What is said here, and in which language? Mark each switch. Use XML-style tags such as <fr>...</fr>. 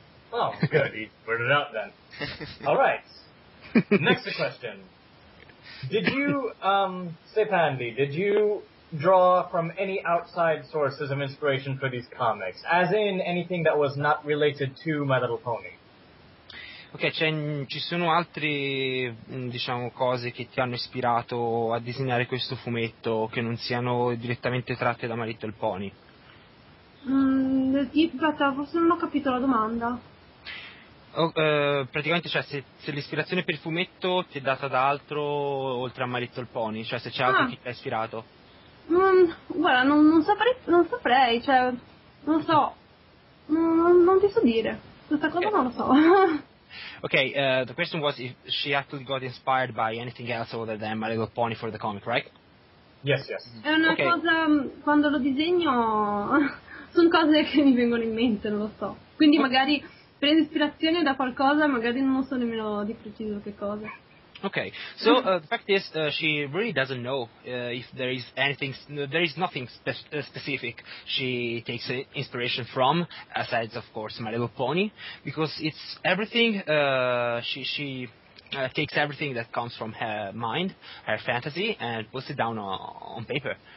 <en>Oh, good. He put it out then. All right. Next question. Did you, Stepandi, did you draw from any outside sources of inspiration for these comics, as in anything that was not related to My Little Pony?</en> <it>Ok, ci sono altre, diciamo, cose che ti hanno ispirato a disegnare questo fumetto che non siano direttamente tratte da My Little Pony? Aspetta, forse non ho capito la domanda. Praticamente, cioè, se l'ispirazione per il fumetto ti è data da altro oltre a My Little Pony, cioè se c'è altro che ti ha ispirato? Guarda, non saprei, cioè, non so, non ti so dire, questa cosa non lo so.</it> <en>Okay, the question was if she actually got inspired by anything else other than My Little Pony for the comic, right? Yes, yes.</en> <it>È una cosa, quando lo disegno, sono cose che mi vengono in mente, non lo so. Quindi magari prendo ispirazione da qualcosa, magari non so nemmeno di preciso che cosa.</it> <en>Okay, so the fact is, she really doesn't know if there is anything, there is nothing specific she takes inspiration from, aside, of course, My Little Pony, because it's everything, she takes everything that comes from her mind, her fantasy, and puts it down on paper.</en>